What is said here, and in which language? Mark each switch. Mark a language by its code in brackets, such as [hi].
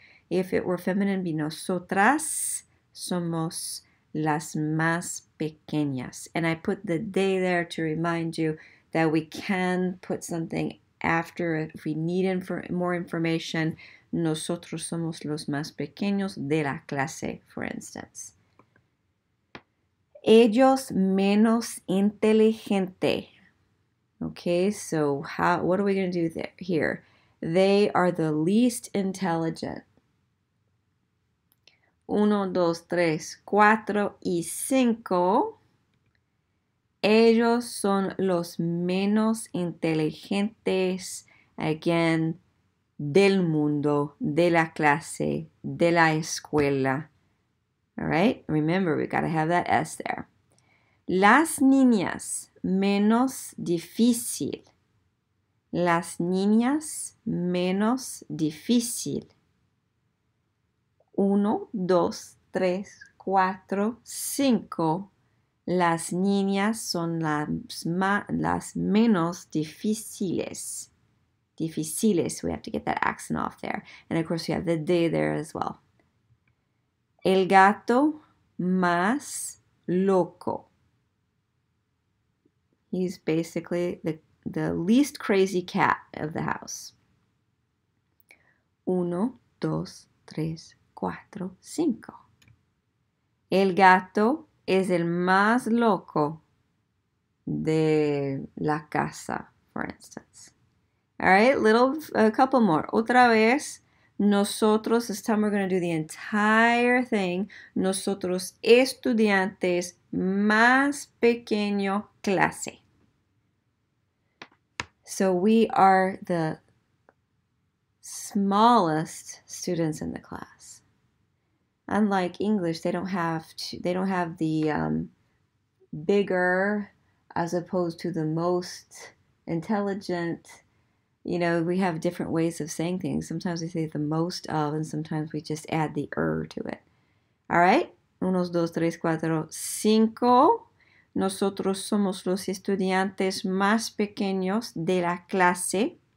[en] If it were feminine, be [es] nosotras somos las más pequeñas. [en] And I put the de there to remind you that we can put something after it if we need more information. [es] Nosotros somos los más pequeños de la clase, [en] for instance. [es] Ellos menos inteligente. [en] Okay, so what are we going to do there, here? They are the least intelligent. [es] Uno, dos, tres, cuatro y cinco. Ellos son los menos inteligentes, [en] again, [es] del mundo, de la clase, de la escuela. [en] All right, remember, we've got to have that S there. [es] Las niñas. Menos difícil. Las niñas menos difícil. Uno, dos, tres, cuatro, cinco. Las niñas son las menos difíciles. Difíciles. [en] So we have to get that accent off there. And of course, you have the de there as well. [es] El gato más loco. [en] He's basically the least crazy cat of the house. [es] Uno, dos, tres, cuatro, cinco. El gato es el más loco de la casa, [en] for instance. All right, a couple more. [es] Otra vez, nosotros, [en] this time we're going to do the entire thing. [es] Nosotros estudiantes más pequeño clase. [en] So we are the smallest students in the class. Unlike English, they don't have the bigger as opposed to the most intelligent. You know, we have different ways of saying things. Sometimes we say the most of, and sometimes we just add the er to it. All right? [es] Unos, dos, tres, cuatro, cinco. Nosotros somos los estudiantes más pequeños de la clase.